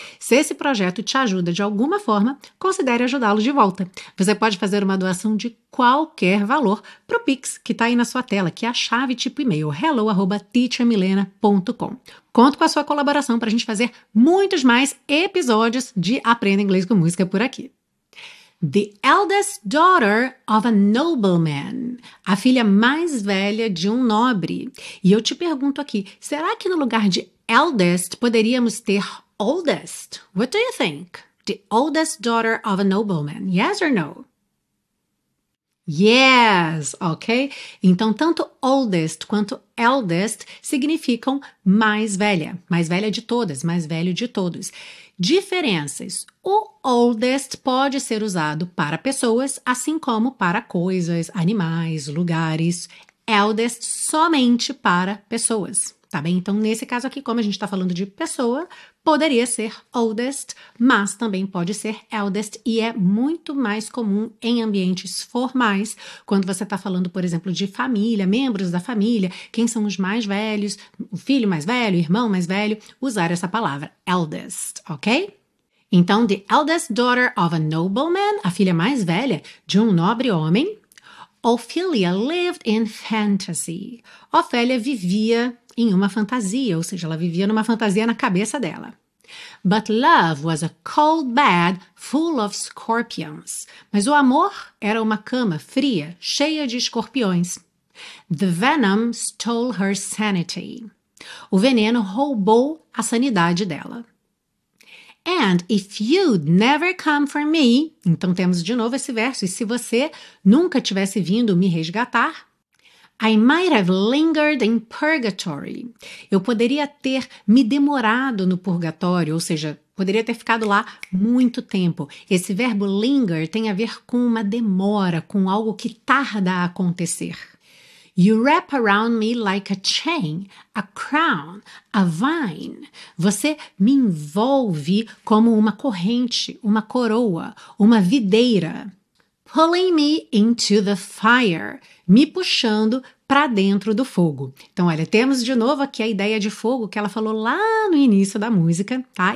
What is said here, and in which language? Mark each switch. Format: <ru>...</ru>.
<pt>Se esse projeto te ajuda de alguma forma, considere ajudá-lo de volta. Você pode fazer uma doação de qualquer valor para o Pix, que está aí na sua tela, que é a chave tipo e-mail hello@teachermilena.com. Conto com a sua colaboração para a gente fazer muitos mais episódios de Aprenda Inglês com Música por aqui.</pt> <en>The eldest daughter of a nobleman.</en> <pt>A filha mais velha de um nobre. E eu te pergunto aqui, será que no lugar de eldest poderíamos ter oldest?</pt> <en>What do you think? The oldest daughter of a nobleman. Yes or no? Yes, ok?</en> <pt>Então, tanto oldest quanto eldest significam mais velha de todas, mais velho de todos. Diferenças. O oldest pode ser usado para pessoas, assim como para coisas, animais, lugares. Eldest somente para pessoas, tá bem? Então, nesse caso aqui, como a gente está falando de pessoa, poderia ser oldest, mas também pode ser eldest e é muito mais comum em ambientes formais, quando você está falando, por exemplo, de família, membros da família, quem são os mais velhos, o filho mais velho, o irmão mais velho, usar essa palavra eldest, ok? Então,</pt> <en>the eldest daughter of a nobleman,</en> <pt>a filha mais velha de um nobre homem.</pt> <en>Ophelia lived in fantasy.</en> <pt>Ophelia vivia em uma fantasia, ou seja, ela vivia numa fantasia na cabeça dela.</pt> <en>But love was a cold bed full of scorpions.</en> <pt>Mas o amor era uma cama fria, cheia de escorpiões.</pt> <en>The venom stole her sanity.</en> <pt>O veneno roubou a sanidade dela.</pt> <en>And if you'd never come for me,</en> <pt>então temos de novo esse verso, e se você nunca tivesse vindo me resgatar,</pt> <en>I might have lingered in purgatory.</en> <pt>Eu poderia ter me demorado no purgatório, ou seja, poderia ter ficado lá muito tempo. Esse verbo linger tem a ver com uma demora, com algo que tarda a acontecer.</pt> <en>You wrap around me like a chain, a crown, a vine.</en> <pt>Você me envolve como uma corrente, uma coroa, uma videira.</pt> <en>Pulling me into the fire,</en> <pt>me puxando para dentro do fogo. Então, olha, temos de novo aqui a ideia de fogo que ela falou lá no início da música, tá?</pt>